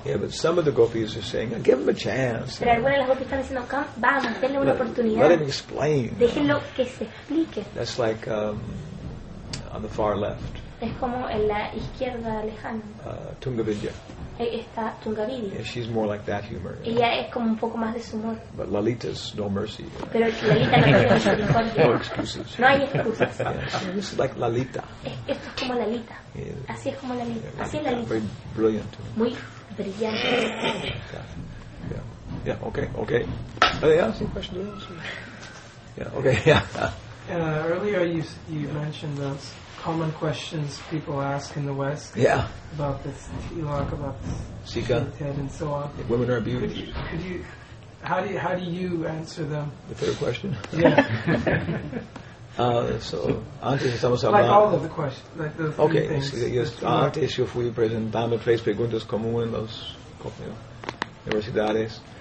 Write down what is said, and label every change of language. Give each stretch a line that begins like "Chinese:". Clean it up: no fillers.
English: Yeah, but some of the gopis are saying, give him a chance.
Spanish: Pero algunas de las gopis están diciendo, vamos, denle una oportunidad.
English: Let him explain.
Spanish: Déjenlo que se explique.
English: That's like on the far left.
Spanish: Es como en la izquierda lejana.
English: Tungavidya.
Spanish: Está Tungavidya.
English: Yeah, she's more like that humor.
Spanish: Ella es como un poco más de su humor.
English: But Lalita's no mercy.
Spanish: Pero Lalita no tiene misericordia.
English: No excuses.
Spanish: No hay excusas.
English: Yeah, this is like Lalita.
Spanish: Esto es como Lalita.
English: Yeah.
Spanish: Así es como Lalita. Yeah, así es Lalita.
English: Very brilliant.
Spanish: Muy brillante.
English: Yeah, okay. Are they asking questions? Yeah. Earlier you mentioned those common questions people ask in the West. Yeah. About this tilak, about this Sika. Head and so on. If women are beautiful. How do you answer them? The third question? Yeah.
Spanish: So antes estamos hablando.
English: Like all of the questions, like those three things. Okay, yes.
Spanish: Antes yo fui presentando tres preguntas comunes en los universidades.